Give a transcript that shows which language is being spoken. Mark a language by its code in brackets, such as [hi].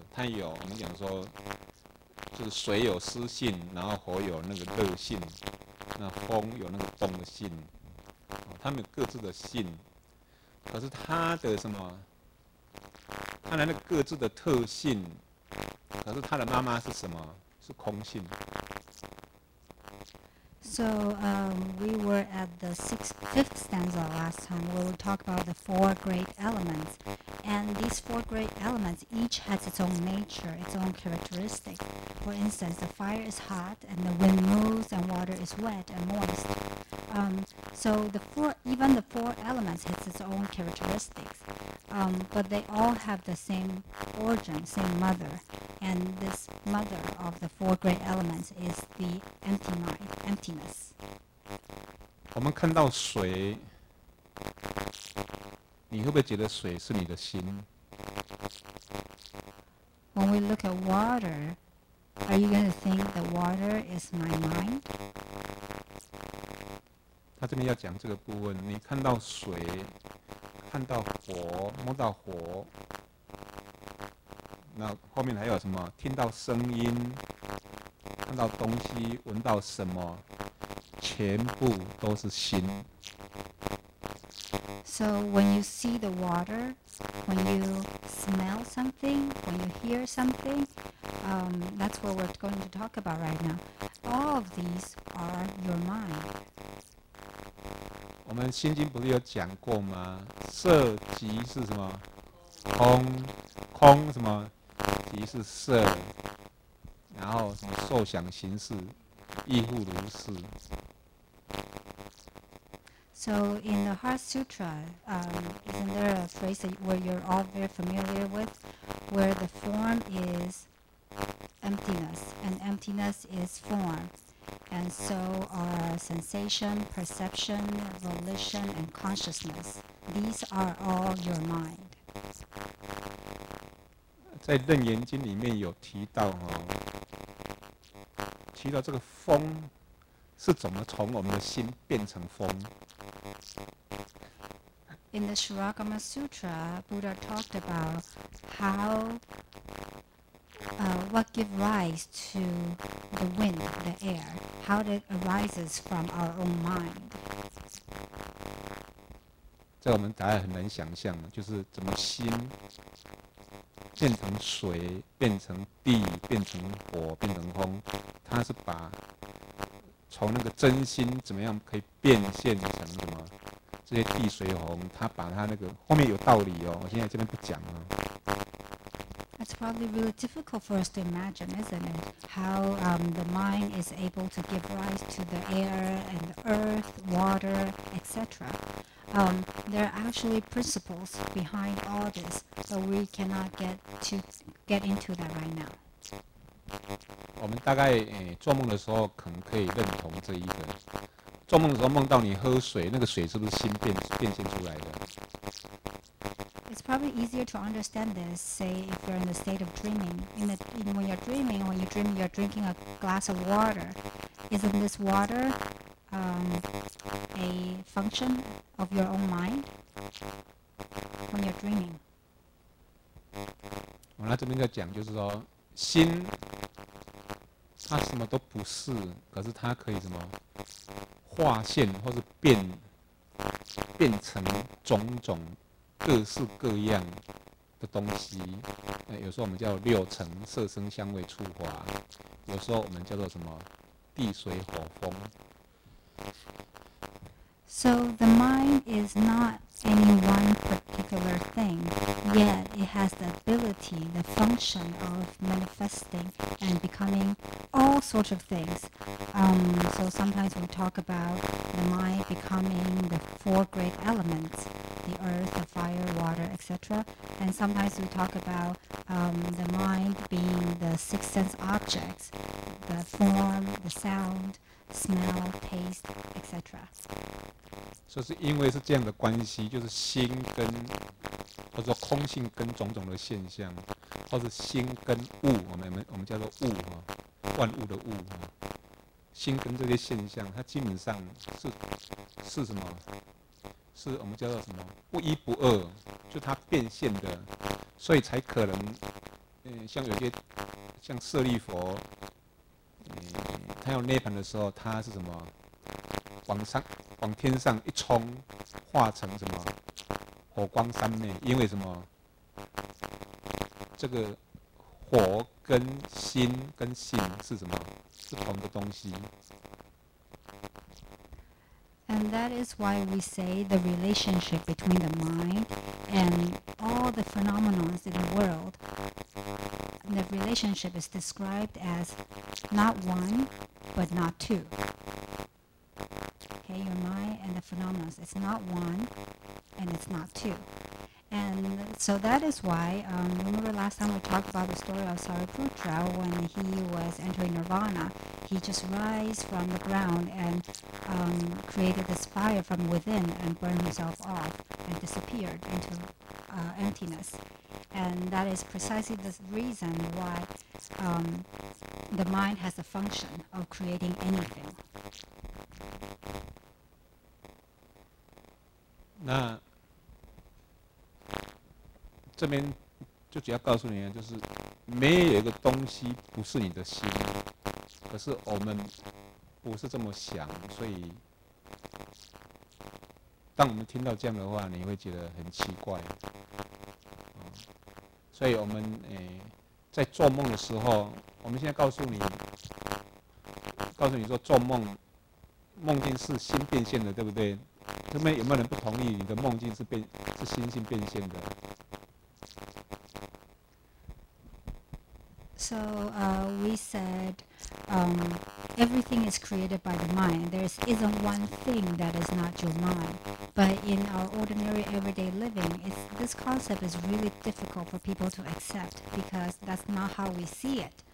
[zh] 它有我们讲说，就是水有湿性，然后火有那个热性，那风有那个动的性，它们有各自的性，可是它的什么？它的各自的特性，可是它的妈妈是什么？是空性。 [en] So we were at the fifth stanza last time. We will talk about the four great elements, and these four great elements each has its own nature, its own characteristic. For instance, the fire is hot, and the wind moves, and water is wet and moist. So the four elements has its own characteristics, but they all have the same origin, same mother, and this mother of the four great elements is the empty mind, emptiness. [zh] 我们看到水，你会不会觉得水是你的心？ [en] When we look at water, are you going to think that water is my mind? [zh] 他这边要讲这个部分，你看到水，看到火，摸到火，那后面还有什么？听到声音，看到东西，闻到什么，全部都是心。 [en] So when you see the water, when you smell something, when you hear something, that's what we're going to talk about right now. All of these are your mind. [zh] 我们心经不是有讲过吗？色即是什么？空，空什么？即是色，然后什么受想行识，亦复如是。 [en] So in the Heart Sutra, isn't there a phrase that where you're all very familiar with, where the form is emptiness, and emptiness is form, and so are sensation, perception, volition, and consciousness. These are all your mind. [zh] 在《楞严经》里面有提到哦，提到这个风是怎么从我们的心变成风。 [en] In the Shirogama Sutra, Buddha talked about how, what gives rise to the wind, the air, how it arises from our own mind. [zh] 在我们答案很难想象，就是怎么心变成水，变成地，变成火，变成风，它是把从那个真心怎么样可以变现成什么？这些地水红，他把他那个后面有道理哦，我现在这边不讲了。 [en] That's probably really difficult for us to imagine, isn't it? How the mind is able to give rise to the air and the earth, water, etc. There are actually principles behind all this, but we cannot get into that right now. [zh] 我们大概做梦的时候可能可以认同这一个。做梦的时候梦到你喝水，那个水是不是心变现出来的 [en] ？It's probably easier to understand this. Say if you're in the state of dreaming, when you're dreaming, when you dream, you're drinking a glass of water. Isn't this water a function of your own mind when you're dreaming? [zh] 我那这边在讲，就是说心它什么都不是，可是它可以什么？化现或是变成种种各式各样的东西，有时候我们叫六尘色声香味触法，有时候我们叫做什么地水火风。 [en] So the mind is not any one particular thing, yet it has the ability, the function of manifesting and becoming all sorts of things. So sometimes we talk about the mind becoming the four great elements, the earth, the fire, water, etc. And sometimes we talk about the mind being the six sense objects, the form, the sound, smell, taste, etc. [zh] 就是因为是这样的关系，就是心跟或者说空性跟种种的现象，或是心跟物，我们叫做物哈，万物的物哈，心跟这些现象，它基本上是什么？是我们叫做什么？不一不二，就它变现的，所以才可能，像有些像舍利佛，他要涅槃的时候，他是什么？往天上一冲，化成什么火光三昧？因为什么？这个火跟心跟性是什么？是同的东西。 [en] And that is why we say the relationship between the mind and all the phenomena in the world. The relationship is described as not one, but not two. Okay, your mind and the phenomena. It's not one and it's not two. And so that is why, remember last time we talked about the story of Sariputra when he was entering Nirvana, he just rise from the ground and created this fire from within and burned himself off and disappeared into emptiness. And that is precisely the reason why the mind has a function of creating anything. [zh] 那这边就只要告诉你，就是没有一个东西不是你的心，可是我们不是这么想，所以当我们听到这样的话，你会觉得很奇怪。所以我们在做梦的时候，我们现在告诉你说做梦，梦境是心变现的，对不对？这边有没有人不同意你的梦境是心性变现的？ [en] So, we said, everything is created by the mind. There isn't one thing that is not your mind. But in our ordinary everyday living, this concept is really difficult for people to accept because that's not how we see it.